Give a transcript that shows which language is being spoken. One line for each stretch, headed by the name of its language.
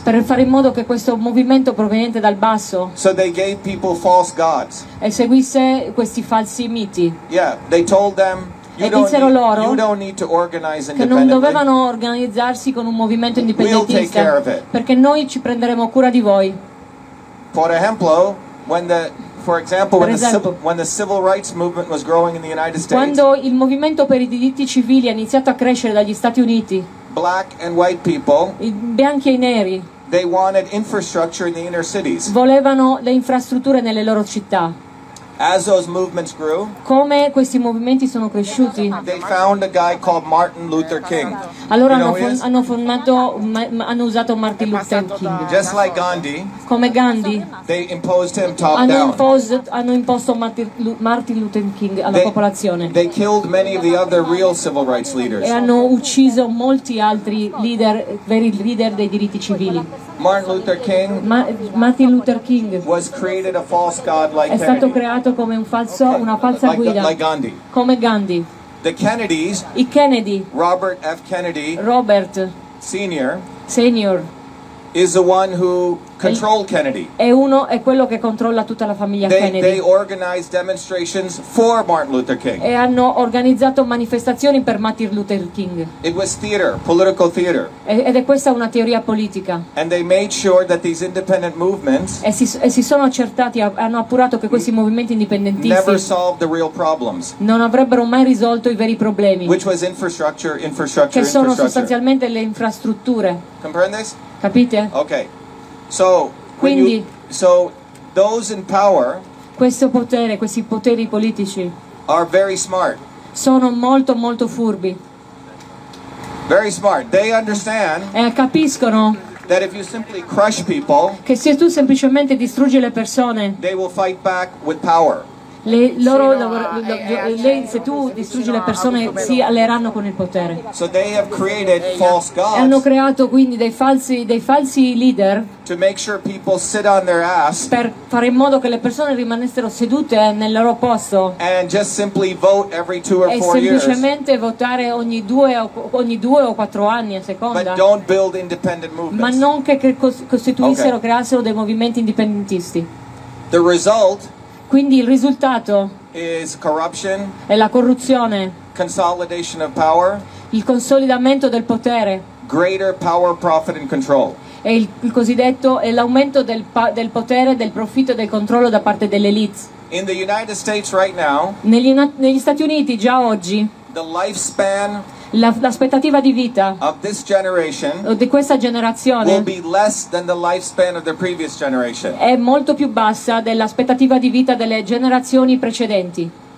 Italian: Per fare in modo che questo movimento proveniente dal basso.
English: So they gave people false gods.
Italian: E seguisse questi falsi miti.
English: Yeah, they told them.
Italian: E dissero loro
English: you don't need to organize
Italian: che non dovevano organizzarsi con un movimento indipendentista.
English: We'll take care of it.
Italian: Perché noi ci prenderemo cura di voi.
English: For example, when the when the civil rights movement was growing in the United States,
Italian: quando il movimento per i diritti civili ha iniziato a crescere dagli Stati Uniti,
English: black and white people,
Italian: i bianchi e i neri,
English: they wanted infrastructure in the inner cities,
Italian: volevano le infrastrutture nelle loro città.
English: As those movements grew,
Italian: come questi movimenti sono cresciuti,
English: they found a guy called Martin Luther King.
Italian: Allora hanno usato Martin Luther King.
English: Just like Gandhi,
Italian: come Gandhi,
English: they imposed him top
Italian: hanno
English: down.
Italian: Hanno imposto Martin Luther King alla popolazione.
English: They killed many of the other real civil rights leaders.
Italian: E hanno ucciso molti altri leader, veri leader dei diritti civili.
English: Martin Luther King,
Italian: Martin Luther King
English: was created a false god like
Italian: è stato creato come un falso, okay, una falsa
English: like,
Italian: guida
English: like Gandhi.
Italian: Come Gandhi.
English: The Kennedys,
Italian: i Kennedy,
English: Robert F. Kennedy,
Italian: Robert
English: Senior,
Italian: Senior
English: is the one who controlled Kennedy.
Italian: È uno è quello che controlla tutta la famiglia Kennedy.
English: They organized demonstrations for Martin Luther King.
Italian: E hanno organizzato manifestazioni per Martin Luther King.
English: It was theater, political theater.
Italian: Ed è questa una teoria politica.
English: And they made sure that these independent movements
Italian: hanno appurato che questi movimenti indipendentisti
English: never solved the real problems.
Italian: Non avrebbero mai risolto i veri problemi.
English: Which was infrastructure, infrastructure,
Italian: che sono
English: infrastructure.
Italian: Sostanzialmente le infrastrutture.
Spanish: Comprende?
Italian: Capite?
English: Okay. So,
Italian: quindi,
English: so those in power,
Italian: questo potere, questi poteri politici,
English: are very smart.
Italian: Sono molto molto furbi.
English: Very smart. They understand.
Italian: E capiscono
English: that if you simply crush people,
Italian: che se tu semplicemente distruggi le persone,
English: they will fight back with power.
Italian: Se tu distruggi le persone si alleeranno con il potere.
English: So they have created false gods.
Italian: E hanno creato quindi dei falsi leader.
English: To make sure people sit on their ass.
Italian: Per fare in modo che le persone rimanessero sedute nel loro posto.
English: And just simply vote every two or four years.
Italian: E semplicemente votare ogni due o quattro anni a seconda.
English: But don't build independent movements.
Italian: Ma non che costituissero, okay, creassero dei movimenti indipendentisti.
English: The result.
Italian: Quindi il risultato
English: is corruption,
Italian: è la corruzione,
English: consolidation of power,
Italian: il consolidamento del potere,
English: greater power, profit and control.
Italian: È il cosiddetto è l'aumento del potere, del profitto e del controllo da parte dell'elite.
English: In the United States right now,
Italian: negli Stati Uniti già oggi,
English: the lifespan,
Italian: l'aspettativa di vita
English: of this generation,
Italian: o di questa generazione,
English: will be less than the lifespan of the previous generation.
Italian: È molto più bassa dell'aspettativa di vita delle generazioni precedenti.